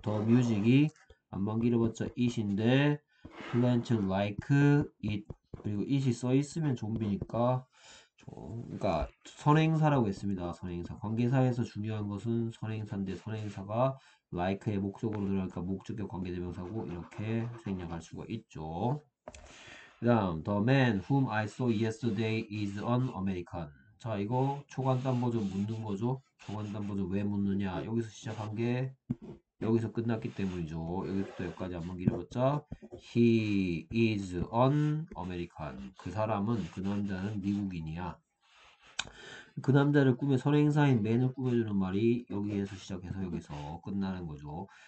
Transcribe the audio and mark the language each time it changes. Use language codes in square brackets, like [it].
[ko] 더 뮤직이 안만 길어봤자 it인데 plant like it 그리고 it이 써 있으면 좀비니까 그러니까 선행사라고 했습니다. 선행사 관계사에서 중요한 것은 선행사인데 선행사가 like의 목적으로 들어가니까 목적격 관계대명사고 이렇게 생략할 수가 있죠. [en] 그다음 the man whom I saw yesterday is an American. [ko] 자 이거 초간단 버전 묻는 거죠. 초간단 버전 왜 묻느냐 여기서 시작한 게 여기서 끝났기 때문이죠. 여기부터 여기까지 한번 길어봤자 [en] He is an American. [ko] 그 사람은 그 남자는 미국인이야. 그 남자를 꾸며 선행사인 맨을 꾸며주는 말이 여기에서 시작해서 여기서 끝나는 거죠.